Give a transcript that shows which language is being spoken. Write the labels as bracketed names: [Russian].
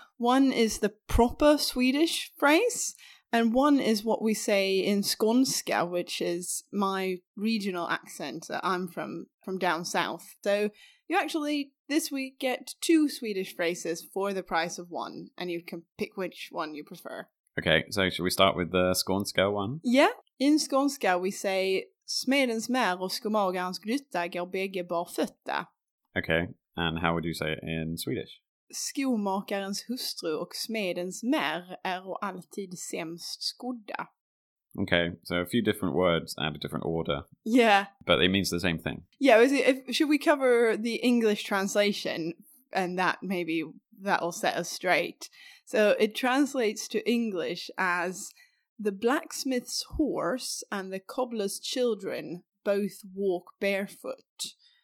[English] One is the proper Swedish phrase, and one is what we say in Skånska, which is my regional accent that I'm from down south. So you actually, this week, get two Swedish phrases for the price of one, and you can pick which one you prefer. Okay, so should we start with the Skånska one? Yeah, in Skånska we say [Swedish] Smedens mär och skomagarens grytta går bägge barfötta. [English] Okay, and how would you say it in Swedish? [Swedish] Skomakarens hustru och smedens mär är och alltid sämst skodda. [English] Okay, so a few different words add a different order. Yeah. But it means the same thing. Yeah, should we cover the English translation? And that maybe that'll set us straight. So it translates to English as the blacksmith's horse and the cobbler's children both walk barefoot.